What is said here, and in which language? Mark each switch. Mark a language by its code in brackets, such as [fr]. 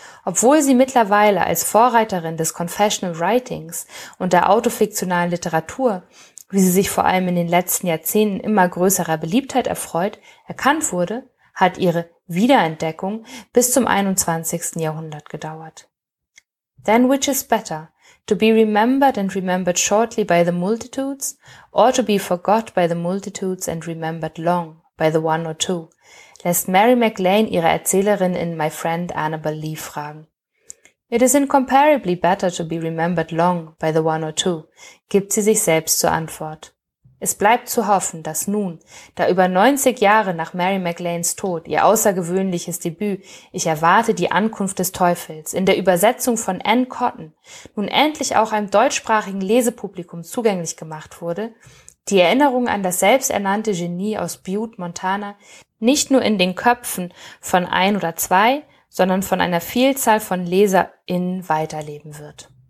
[de] Obwohl sie mittlerweile als Vorreiterin des Confessional Writings und der autofiktionalen Literatur, wie sie sich vor allem in den letzten Jahrzehnten immer größerer Beliebtheit erfreut, erkannt wurde, hat ihre Wiederentdeckung bis zum 21. Jahrhundert gedauert. [en] Then which is better, to be remembered and remembered shortly by the multitudes, or to be forgot by the multitudes and remembered long by the one or two? [de] Lässt Mary McLean ihre Erzählerin in My Friend Annabel Lee fragen. [en] It is incomparably better to be remembered long by the one or two, [de] gibt sie sich selbst zur Antwort. Es bleibt zu hoffen, dass nun, da über 90 Jahre nach Mary McLeans Tod ihr außergewöhnliches Debüt »Ich erwarte die Ankunft des Teufels« in der Übersetzung von Anne Cotton nun endlich auch einem deutschsprachigen Lesepublikum zugänglich gemacht wurde, die Erinnerung an das selbsternannte Genie aus Butte, Montana, nicht nur in den Köpfen von 1 oder 2, sondern von einer Vielzahl von LeserInnen weiterleben wird.